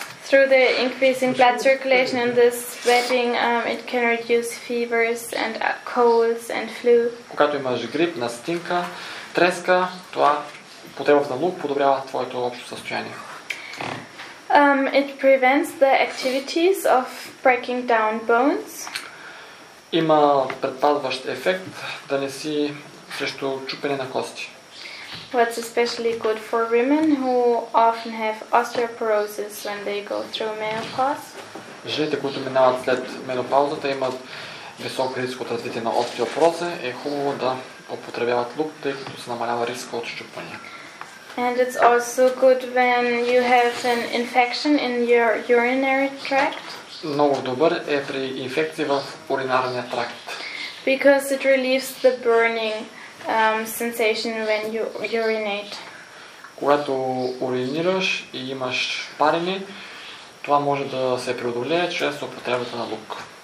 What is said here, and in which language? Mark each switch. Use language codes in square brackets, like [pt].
[en] Through the increasing blood circulation and the sweating, it can reduce fevers and colds and flu. [bg] Когато имаш грип, настинка, треска, това потребът на лук подобрява твоето общо състояние. [en] It prevents the activities of breaking down bones. [bg] Има предпазващ ефект да не си срещу чупене на кости. [en] What's especially good for women who often have osteoporosis when they go through menopause? [bg] Жените, които минават след менопаузата, имат висок риск от развитие на остеопороза, е хубаво да употребяват лук, тъй като се намалява риска от счупване. [en] And it's also good when you have an infection in your urinary tract. [bg] Много добър е при инфекции в уринарния тракт. [en] Because it relieves the burning sensation when you urinate. [bg] Когато уринираш и имаш парене, това може да се преодолее чрез употребата на лук.